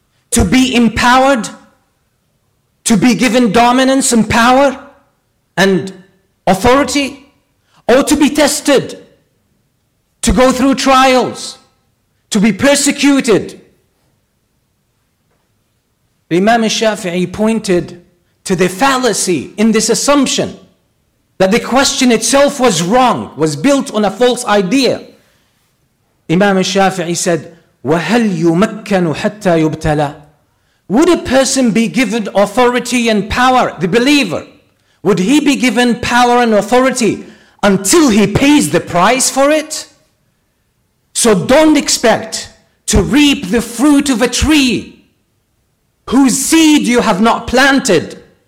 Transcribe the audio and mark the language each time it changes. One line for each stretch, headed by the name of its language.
English: To be empowered, to be given dominance and power and authority, or to be tested, to go through trials, to be persecuted?" Imam Shafi'i pointed to the fallacy in this assumption, that the question itself was wrong, was built on a false idea. Imam Shafi'i said,
Arabic: "وَهَلْ يُمَكَّنُ حَتَّى يُبْتَلَى?"
English: Would a person be given authority and power, the believer, would he be given power and authority until he pays the price for it? So don't expect to reap the fruit of a tree whose seed you have not planted.